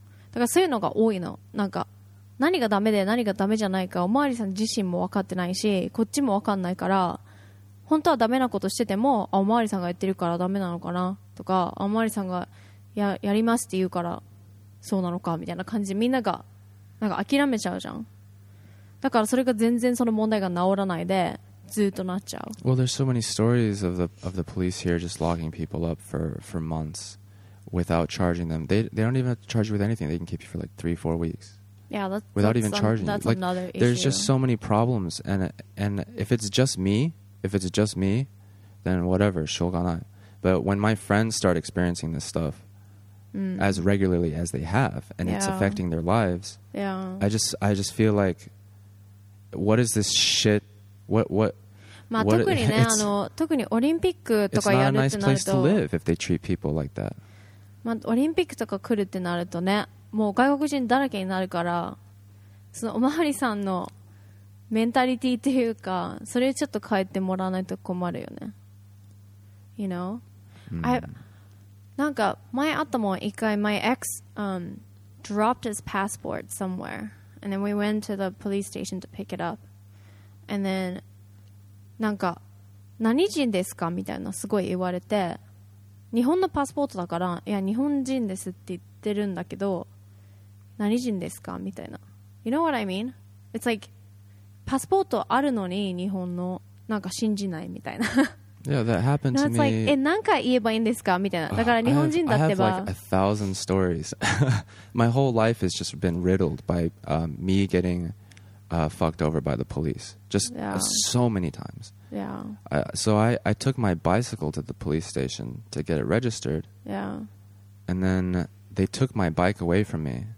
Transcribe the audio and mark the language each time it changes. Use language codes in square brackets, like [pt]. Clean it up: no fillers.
[ja] だからそういうのが多いの。なんか何がダメで何がダメじゃないかおまわりさん自身も分かってないしこっちも分かんないから本当はダメなことしててもあおまわりさんが言ってるからダメなのかなとかおまわりさんが やりますって言うからそうなのかみたいな感じでみんながなんか諦めちゃうじゃん。だからそれが全然その問題が治らないでずっとなっちゃう。 [en] Well, there's so many stories of the police here just locking people up for months without charging them. They don't even have to charge you with anything. They can keep you for like 3-4 weeks. Yeah, that's without that's even charging that's you. Like, another issue. There's just so many problems, and if it's just me, then whatever, [ja] 쇼가나요. [en] But when my friends start experiencing this stuff. Mm. As regularly as they have, and it's affecting their lives. Yeah, I just feel like, what is this shit? What? [ja] まあ特にね、あの特にオリンピックとかやるってなると、 [en] it's not a nice place to live if they treat people like that. [ja] まあオリンピックとか来るってなるとね、もう外国人だらけになるから、そのおまわりさんのメンタリティっていうか、それちょっと変えてもらわないと困るよね。 [en] You know,、mm. [ja] なんか前あったもん一回 [en] my ex dropped his passport somewhere and then [ja] we went to the police station to pick it up and then なんか何人ですかみたいなすごい言われて日本のパスポートだからいや日本人ですって言ってるんだけど何人ですかみたいな [en] you know what I mean? [ja] It's like パスポートあるのに日本のなんか信じないみたいな [en] Yeah, that happened to me. That's like, [ja] 何か言えばいいんですかみたいな。だから日本人だってば。 [en] I have like 1,000 stories. My whole life has just been riddled by me getting fucked over by the police. Just so many times. Yeah. So I took my bicycle to the police station to get it registered. Yeah. And then they took my bike away from me.